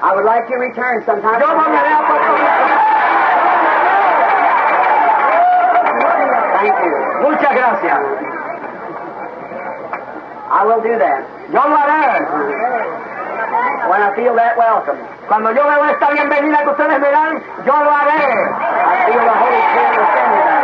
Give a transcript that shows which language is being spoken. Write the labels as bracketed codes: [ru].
[en] I would like you to return sometime. [es] Yo volveré a por todos. [en] Thank you. [es] Muchas gracias. [en] I will do that. [es] Yo lo haré. [en] When I feel that welcome. [es] Cuando yo veo esta bienvenida que ustedes me dan, yo lo haré. [en] I feel the Holy Spirit within me.